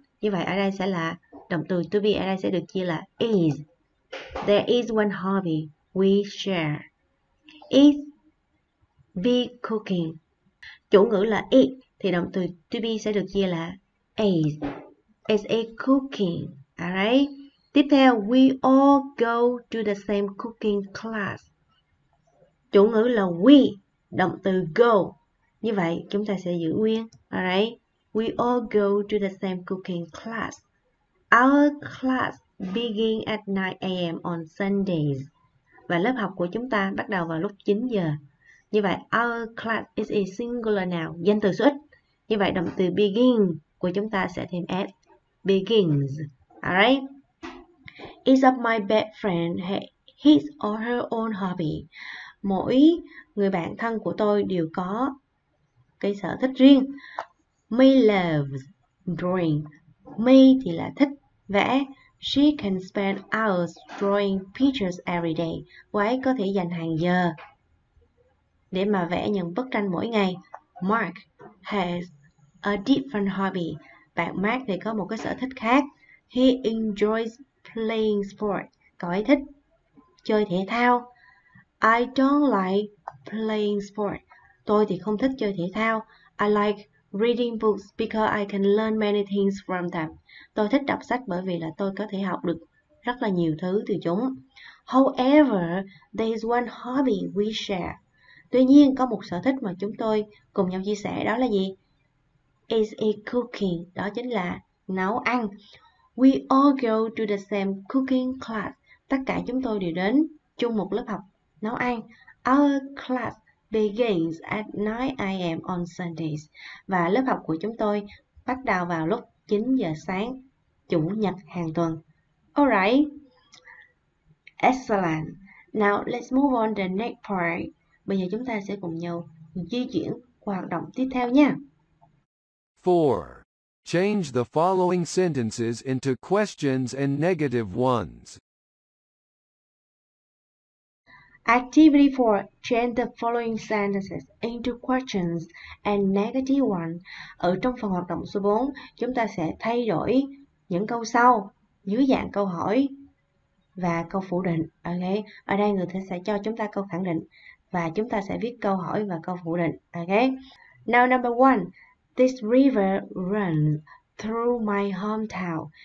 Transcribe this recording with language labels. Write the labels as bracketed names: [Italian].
[Vietnamese] Như vậy ở đây sẽ là động từ to be, ở đây sẽ được chia là is. [English] There is one hobby we share. Is be cooking. [Vietnamese] Chủ ngữ là is thì động từ to be sẽ được chia là is. [English] Is a cooking. Alright. [Vietnamese] Tiếp theo, [English] we all go to the same cooking class. [Vietnamese] Chủ ngữ là we, động từ go. Như vậy, chúng ta sẽ giữ nguyên. [English] Alright. We all go to the same cooking class. Our class begins at 9 a.m. on Sundays. [Vietnamese] Và lớp học của chúng ta bắt đầu vào lúc 9 giờ. Như vậy, [English] our class is a singular noun, [Vietnamese] danh từ số ít. Như vậy, động từ begin của chúng ta sẽ thêm s. Begins. Alright. [English] Each of my best friends has his or her own hobby. [Vietnamese] Mỗi người bạn thân của tôi đều có cái sở thích riêng. [English] Me loves drawing. [Vietnamese] Me thì là thích vẽ. [English] She can spend hours drawing pictures every day. [Vietnamese] Cô ấy có thể dành hàng giờ để mà vẽ những bức tranh mỗi ngày. [English] Mark has a different hobby. [Vietnamese] Bạn Mark thì có một cái sở thích khác. [English] He enjoys playing sport. [Vietnamese] Cậu ấy thích chơi thể thao. [English] I don't like playing sport. [Vietnamese] Tôi thì không thích chơi thể thao. [English] I like Reading books because I can learn many things from them. [Vietnamese] Tôi thích đọc sách bởi vì là tôi có thể học được rất là nhiều thứ từ chúng. [English] However, there is one hobby we share. [Vietnamese] Tuy nhiên, có một sở thích mà chúng tôi cùng nhau chia sẻ đó là gì? [English] Is a cooking. [Vietnamese] Đó chính là nấu ăn. [English] We all go to the same cooking class. [Vietnamese] Tất cả chúng tôi đều đến chung một lớp học nấu ăn. [English] Our class begins at 9 a.m. on Sundays. [Vietnamese] Và lớp học của chúng tôi bắt đầu vào lúc 9 giờ sáng chủ nhật hàng tuần. [English] Alright. Excellent. Now let's move on to the next part. [Vietnamese] Bây giờ chúng ta sẽ cùng nhau di chuyển qua hoạt động tiếp theo nha. [English] 4. Change the following sentences into questions and negative ones. Activity 4. Change the following sentences into questions and negative ones. [Vietnamese] Ở trong phần hoạt động số 4, chúng ta sẽ thay đổi những câu sau dưới dạng câu hỏi và câu phủ định. Okay. Ở đây người ta sẽ cho chúng ta câu khẳng định và chúng ta sẽ viết câu hỏi và câu phủ định. Okay. [English] Now number 1. This river runs through my hometown.